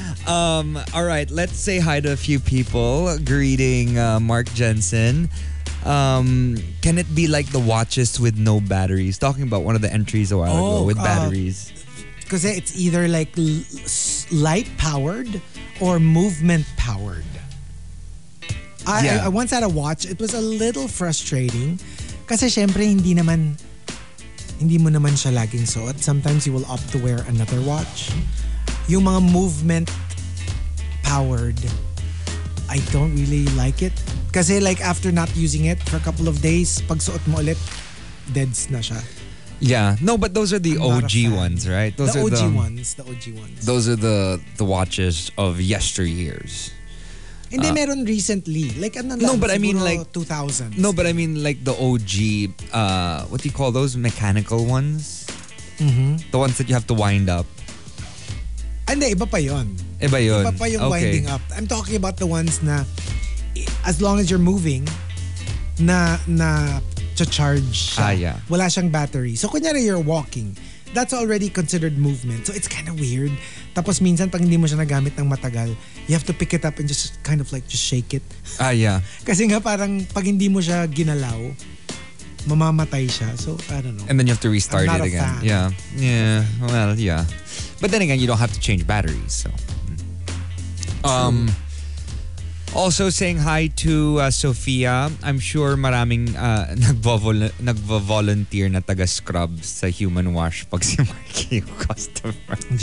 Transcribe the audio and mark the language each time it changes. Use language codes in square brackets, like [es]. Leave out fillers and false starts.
[en] All right, let's say hi to a few people. Greeting Mark Jensen. Can it be like the watches with no batteries? Talking about one of the entries a while ago with batteries. Because it's either like light powered or movement powered. I once had a watch. It was a little frustrating. [tl] Kasi syempre hindi mo naman siya laging suot. [en] Sometimes you will opt to wear another watch. [tl] Yung mga [en] movement powered, I don't really like it. Kasi like after not using it for a couple of days, [tl] pag suot mo ulit, deads na siya. [en] Yeah. No, but those are the OG ones, right? The OG ones. Those are the watches of yesteryears. [tl] Hindi, meron [en] recently. Like, I mean 2000s. No, but I mean like the OG, what do you call those? Mechanical ones? Mm-hmm. The ones that you have to wind up. [tl] Hindi, iba pa yun. Iba yun. Iba pa yung winding up. [en] I'm talking about the ones na as long as you're moving, [tl] na charge siya. [en] Ah, yeah. [tl] Wala siyang battery. So, kunyari, [en] you're walking. That's already considered movement. So, it's kind of weird. [tl] Tapos, minsan, pag hindi mo siya nagamit ng matagal, [en] you have to pick it up and just kind of like just shake it. Ah, yeah. [tl] Kasi nga, parang pag hindi mo siya ginalaw, mamamatay siya. [en] So, I don't know. And then you have to restart it again. Yeah. Yeah. Well, yeah. But then again, you don't have to change batteries. So. True. Also saying hi to Sophia. I'm sure [tl] maraming nagvo-volunteer na taga-scrubs sa human wash pag si Markki yung customer.